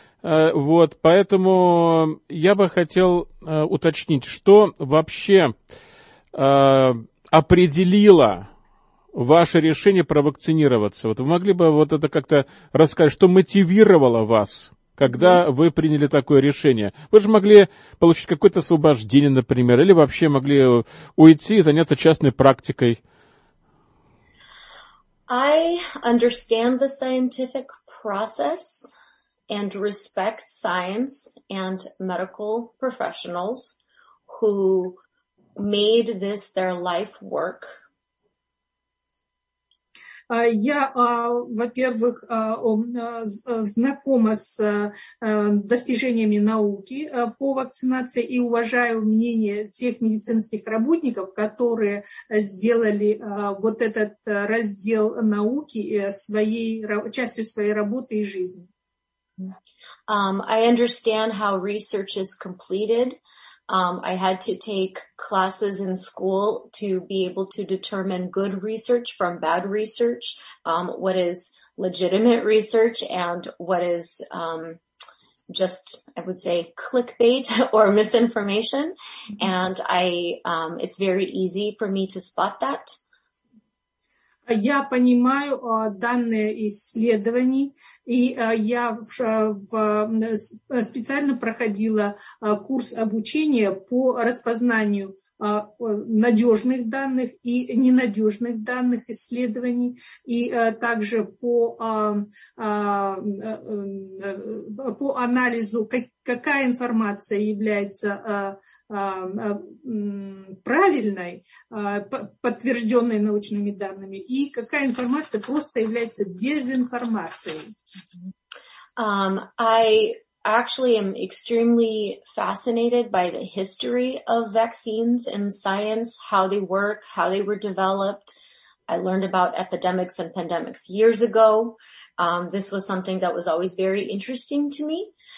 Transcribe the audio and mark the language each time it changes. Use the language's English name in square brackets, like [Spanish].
[Russian] Вот, поэтому я бы хотел уточнить, что вообще определило ваше решение провакцинироваться? Вот вы могли бы вот это как-то рассказать, что мотивировало вас, когда вы приняли такое решение? Вы же могли получить какое-то освобождение, например, или вообще могли уйти и заняться частной практикой? [English] I understand the scientific process and respect science and medical professionals who made this their life work. [Russian] Я, во-первых, знакома с достижениями науки по вакцинации и уважаю мнение тех медицинских работников, которые сделали вот этот раздел науки своей, частью своей работы и жизни. [English] I understand how research is completed. I had to take classes in school to be able to determine good research from bad research, what is legitimate research and what is just, I would say, clickbait or misinformation. Mm-hmm. And I, it's very easy for me to spot that. [Russian] Я понимаю данные исследований, и я специально проходила курс обучения по распознанию надежных данных и ненадежных данных исследований, и также по анализу, какая информация является правильной, подтвержденной научными данными, и какая информация просто является дезинформацией. [English] Actually, I'm extremely fascinated by the history of vaccines and science, how they work, how they were developed. I learned about epidemics and pandemics years ago. This was something that was always very interesting to me.